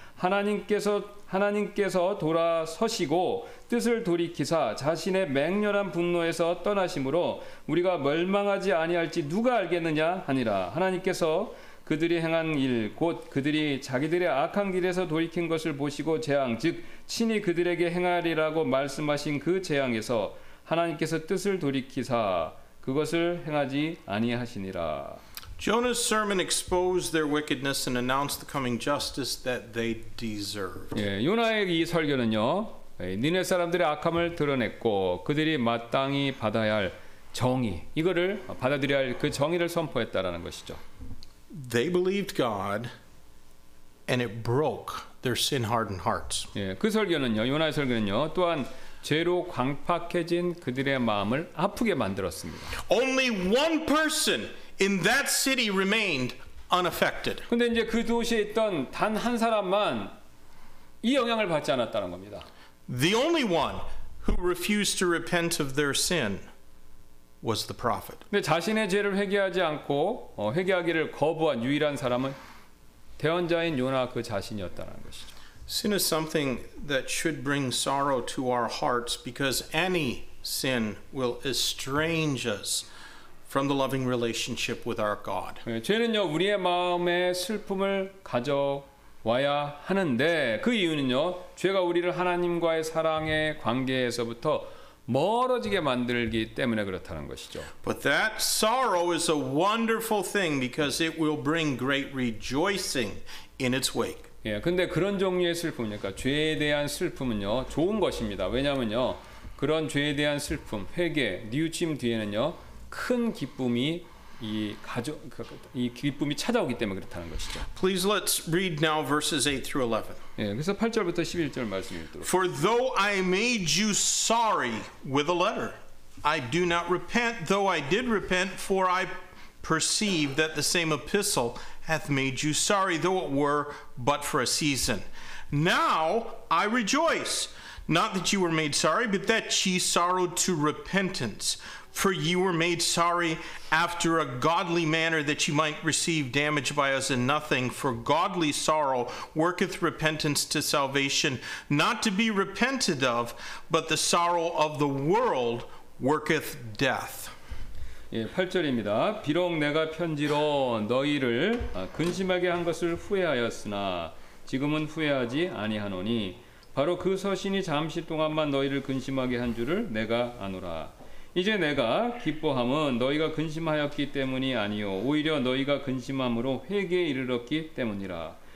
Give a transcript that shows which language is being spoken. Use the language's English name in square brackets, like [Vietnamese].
[Korean] 하나님께서 돌아서시고 뜻을 돌이키사 자신의 맹렬한 분노에서 떠나심으로 우리가 멸망하지 아니할지 누가 알겠느냐 하니라. 하나님께서 그들이 행한 일 곧 그들이 자기들의 악한 길에서 돌이킨 것을 보시고 재앙 즉 친히 그들에게 행하리라고 말씀하신 그 재앙에서 하나님께서 뜻을 돌이키사 그것을 행하지 아니하시니라. [English] Jonah's sermon exposed their wickedness and announced the coming justice that they deserve. [Korean] 예, 요나의 이 설교는요. 니네 사람들의 악함을 드러냈고 그들이 마땅히 받아야 할 정의 이거를 받아들여야 할 그 정의를 선포했다라는 것이죠. [English] They believed God and it broke their sin-hardened hearts. [Korean] 예, 그 설교는요. 요나의 설교는요. 또한 죄로 광팍해진 그들의 마음을 아프게 만들었습니다. [English] Only one person in that city remained unaffected. [Korean] 근데 이제 그 도시에 있던 단 한 사람만 이 영향을 받지 않았다는 겁니다. [English] The only one who refused to repent of their sin was the prophet. [Korean] 근데 자신의 죄를 회개하지 않고 회개하기를 거부한 유일한 사람은 대언자인 요나 그 자신이었다는 것이죠. [English] Sin is something that should bring sorrow to our hearts because any sin will estrange us from the loving relationship with our God. [Korean] 죄는요 우리의 마음에 슬픔을 가져와야 하는데 그 이유는요 죄가 우리를 하나님과의 사랑의 관계에서부터 멀어지게 만들기 때문에 그렇다는 것이죠. [English] But that sorrow is a wonderful thing because it will bring great rejoicing in its wake. [Korean] 예, 근데 그런 종류의 슬픔, 그러니까 죄에 대한 슬픔은요, 좋은 것입니다. 왜냐하면요, 그런 죄에 대한 슬픔, 회개, 뉘우침 뒤에는요, 큰 기쁨이 이 기쁨이 찾아오기 때문에 그렇다는 것이죠. [English] Please let's read now verses 8 through 11. [Korean] 예, 그래서 8절부터 11절 말씀 읽도록. [English] For though I made you sorry with a letter, I do not repent. Though I did repent, for I perceive that the same epistle hath made you sorry, though it were but for a season. Now I rejoice, not that you were made sorry, but that ye sorrowed to repentance. For you were made sorry after a godly manner, that you might receive damage by us in nothing. For godly sorrow worketh repentance to salvation, not to be repented of, but the sorrow of the world worketh death. [Korean] 예, 8절입니다. 비록 내가 편지로 너희를 근심하게 한 것을 후회하였으나 지금은 후회하지 아니하노니 바로 그 서신이 잠시 동안만 너희를 근심하게 한 줄을 내가 아노라. 이제 내가 기뻐함은 너희가 근심하였기 때문이 아니오 오히려 너희가 근심함으로 회개에 이르렀기 때문이라.